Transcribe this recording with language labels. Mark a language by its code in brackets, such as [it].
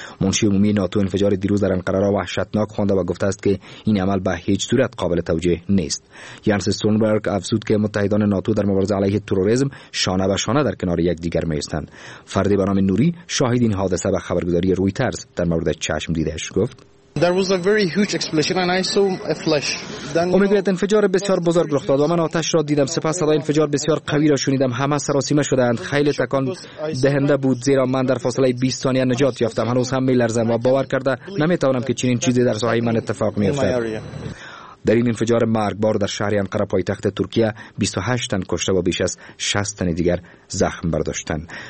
[fa] منشی عمومی ناتو انفجار دیروز در انقره را وحشتناک خوانده و گفته است که این عمل به هیچ صورت قابل توجیه نیست. یانس استولتنبرگ افزود که متحدان ناتو در مبارزه علیه تروریسم شانه به شانه در کنار یکدیگر می‌ایستند. فردی به نام نوری شاهد این حادثه به خبرگزاری رویترز در مورد چشم دیدهش گفت: [en] There was a very huge explosion and I saw a flash. [fa] امیدوارم انفجار بسیار بزرگ رخ داد و من آتش را دیدم. سپس صدای انفجار بسیار قوی را شنیدم. همه سراسیمه شدند. خیلی تکان دهنده بود، زیرا من در فاصله 20 ثانیه نجات یافتم. هنوز هم می‌لرزم و باور کرده نمی‌توانم که چنین چیزی در صحرای من اتفاق می‌افتد. در این انفجار مرگبار در شهر انقره پایتخت ترکیه 28 تن کشته و بیش از 60 تن دیگر زخم برداشتند.